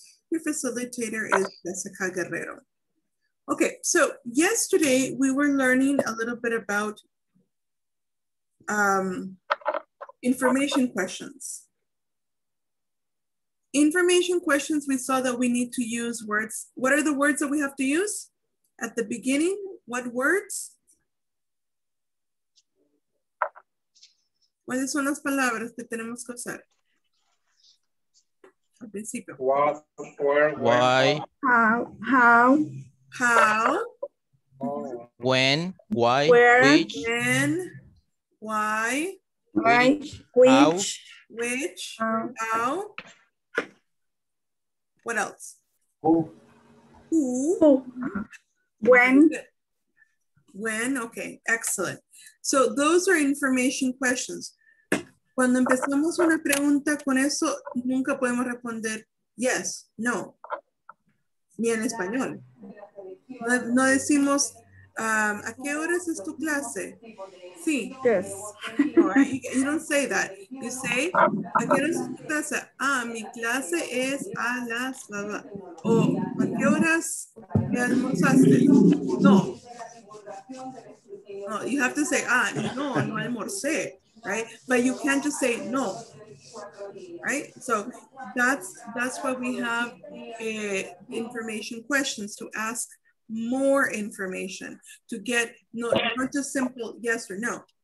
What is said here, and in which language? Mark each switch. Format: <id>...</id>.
<en>Your facilitator is Jessica Guerrero. Okay, so yesterday we were learning a little bit about information questions. Information questions, we saw that we need to use words. What are the words that we have to use at the beginning? What words?</en> <es>¿Cuáles son las palabras que tenemos que usar? Al principio.</es> <en>What, where, why. How. When, why, where, which. When, why. Which. How. What else? Who. Who. When. When, okay, excellent. So those are information questions.</en> <es>Cuando empezamos una pregunta con eso, nunca podemos responder yes, no, ni en español. No decimos, ¿a qué horas es tu clase? Sí.</es> <en>Yes. You don't say that. You say,</en> <es>¿a qué horas es tu clase? Ah, mi clase es a las, blah, blah. O, ¿a qué horas me almorzaste? No.</es> <en>No, you have to say, ah,</en> <es>no, no almorcé.</es> <en>Right, but you can't just say no, right? So that's why we have information questions, to ask more information, to get not just simple yes or no.</en>